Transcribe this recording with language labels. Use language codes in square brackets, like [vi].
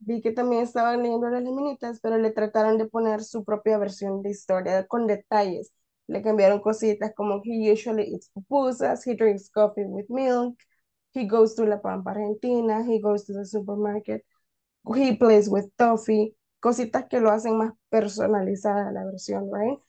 [es] Vi que también estaban leyendo las laminitas, pero le trataron de poner su propia versión de historia con detalles. Le cambiaron cositas como [en] he usually eats pupusas, he drinks coffee with milk, he goes to La Pampa Argentina, he goes to the supermarket, he plays with Tofi. [es] Cositas que lo hacen más personalizada la versión, right?